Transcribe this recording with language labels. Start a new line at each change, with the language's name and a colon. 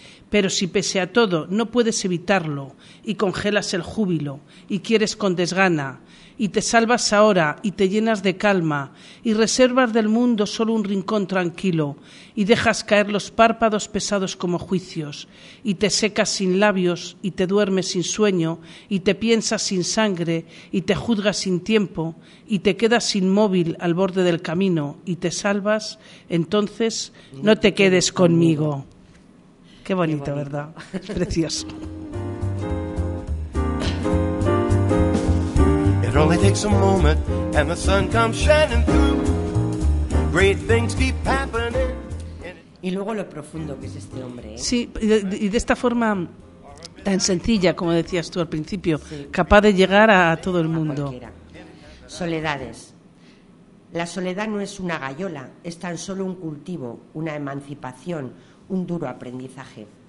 Spanish: Pero si pese a todo no puedes evitarlo y congelas el júbilo y quieres con desgana y te salvas ahora y te llenas de calma y reservas del mundo solo un rincón tranquilo y dejas caer los párpados pesados como juicios y te secas sin labios y te duermes sin sueño y te piensas sin sangre y te juzgas sin tiempo y te quedas inmóvil al borde del camino y te salvas, entonces no te quedes conmigo. Qué bonito, qué bonito, ¿verdad? Precioso.
English: It only takes a moment and the sun comes shining through. Great things keep happening.
Spanish: Y luego lo profundo que es este hombre, ¿eh? Sí, y de esta forma tan sencilla, como decías tú al principio, sí, capaz de llegar a todo el mundo. Cualquiera. Soledades. La soledad no es una gallola, es tan solo un cultivo, una emancipación, un duro aprendizaje.